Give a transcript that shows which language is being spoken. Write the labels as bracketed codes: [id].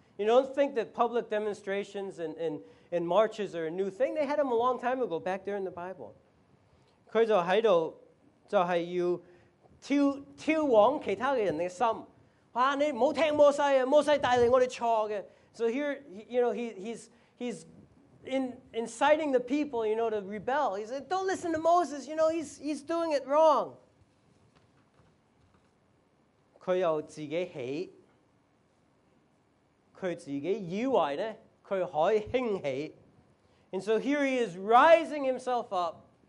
[en] You don't think that public demonstrations and marches are a new thing. They had them a long time ago, back there in the Bible. [zh] 他就在這裡,就是要挑往其他人的心。哇,你不要聽摩西,摩西帶領我們錯的。 [en] So here, you know, he's inciting the people, you know, to rebel. He said, don't listen to Moses, you know, he's doing it wrong. [zh] 他又自己起,他自己以為呢,他可以興起。 [en] And so here he is rising himself up.